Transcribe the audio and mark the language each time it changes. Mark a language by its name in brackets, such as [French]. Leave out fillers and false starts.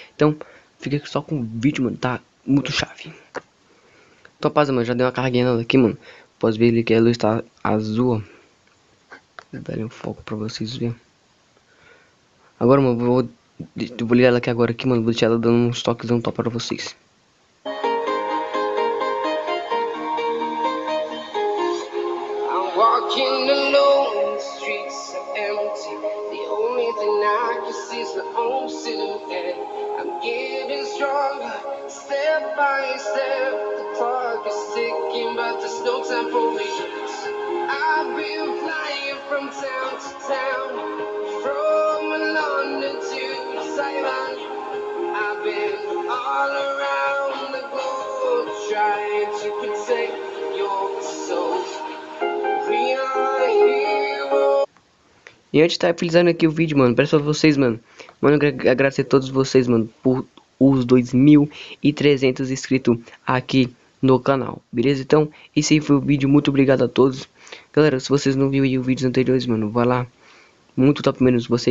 [Portuguese] Então, fica só com o vídeo, mano. Tá muito chave. Então, rapaz, mano, já deu uma carguinha nela aqui, mano. Posso ver ali que a luz tá azul, ó. Vou dar ali um foco pra vocês verem. Agora, mano, vou ligar ela aqui agora aqui, mano. Vou deixar ela dando uns toques um top pra vocês. [English] I'm walking alone, the streets are empty. The only thing I can see is my own silhouette. I'm getting stronger, step by step. Clock is ticking, but there's no time for me. I've been flying from town to town, from London to Taiwan. I've been all around the globe trying to protect your soul. We are heroes. [Portuguese] E antes de estar finalizando aqui o vídeo, mano, peço pra vocês, mano. Mano, eu agradecer a todos vocês, mano, por os 2.300 inscritos aqui no canal, beleza? Então, esse aí foi o vídeo, muito obrigado a todos. Galera, se vocês não viram aí os vídeos anteriores, mano, vai lá. Muito top mesmo, você.